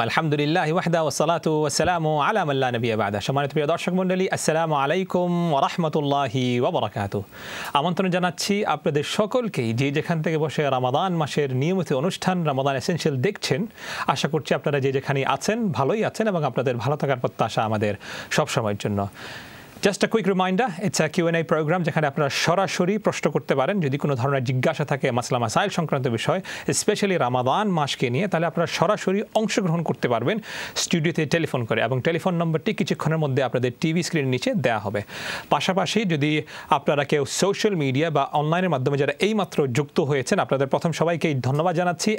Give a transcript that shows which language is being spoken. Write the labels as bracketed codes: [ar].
[ar] الحمد لله وحده والصلاة والسلام على من لا نبي بعده. [bn] شمانت بيا دارشك مندلي. [ar] السلام عليكم ورحمة الله وبركاته. [bn] আমন্ত্রণ জানাচ্ছি আপনাদের সকলকে যে যেখান থেকে বসে রমাদান মাসের নিয়মিত অনুষ্ঠান রমাদান এসেনশিয়াল দেখছেন, আশা করছি আপনারা যে যেখানে আছেন ভালোই আছেন এবং আপনাদের ভালো থাকার প্রত্যাশা আমাদের সব সময়ের জন্য। [en] Just a quick reminder, it's a Q&A program [bn] যেখানে আপনারা সরাসরি প্রশ্ন করতে পারেন। যদি কোনো ধরনের জিজ্ঞাসা থাকে মাসলা মাসাইল সংক্রান্ত বিষয়ে, স্পেশালি রমাদান মাসকে নিয়ে, তাহলে আপনারা সরাসরি অংশগ্রহণ করতে পারবেন স্টুডিওতে টেলিফোন করে, এবং টেলিফোন নম্বরটি কিছুক্ষণের মধ্যে আপনাদের টিভি স্ক্রিনের নিচে দেওয়া হবে। পাশাপাশি যদি আপনারা কেউ সোশ্যাল মিডিয়া বা অনলাইনের মাধ্যমে যারা এইমাত্র যুক্ত হয়েছেন, আপনাদের প্রথম সবাইকে ধন্যবাদ জানাচ্ছি।